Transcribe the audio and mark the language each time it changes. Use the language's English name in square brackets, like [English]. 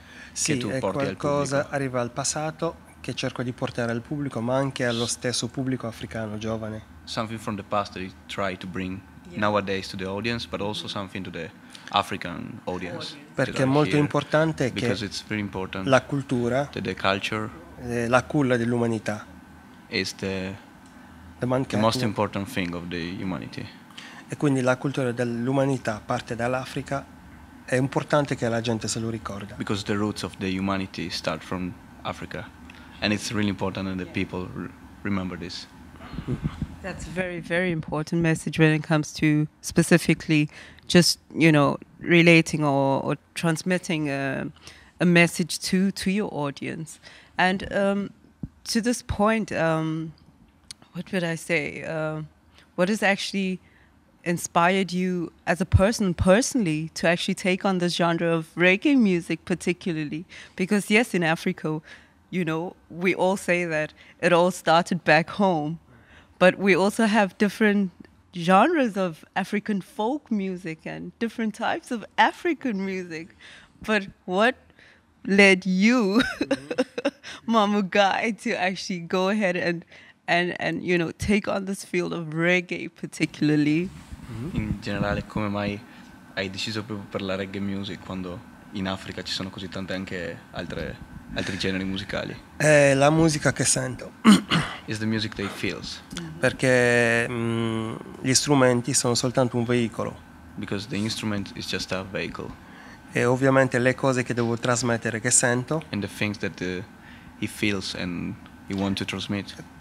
[Italian] Sì, è qualcosa arriva al passato che cerco di portare al pubblico, ma anche allo stesso pubblico africano giovane. [English] Something from the past that he try to bring. Yeah. Nowadays to the audience, but also something to the African audience. [Italian] Perché è molto importante che la cultura, [English] the culture, [Italian] la culla dell'umanità, [English] is the most important thing of the humanity. [Italian] E quindi la cultura dell'umanità parte dall'Africa. È importante che la gente se lo ricorda. [English] Because the roots of the humanity start from Africa, and it's really important that the people remember this. That's a very, very important message when it comes to specifically just, you know, relating or transmitting a message to your audience. And to this point, what would I say? What has actually inspired you as a person personally to actually take on this genre of reggae music particularly? Because yes, in Africa, you know, we all say that it all started back home. But we also have different genres of African folk music and different types of African music. But what led you, Momar Gaye, to actually go ahead and you know, take on this field of reggae particularly? [Italian] In generale, come mai hai deciso proprio per la reggae music quando in Africa ci sono così tante anche altri generi musicali? La musica che sento. [English] is the music that he feels. [Italian] Perché gli strumenti sono soltanto un veicolo. [English] Because the instrument is just a vehicle. [Italian] E ovviamente le cose che devo trasmettere, che sento, [English] and the things that he feels and he wants to transmit,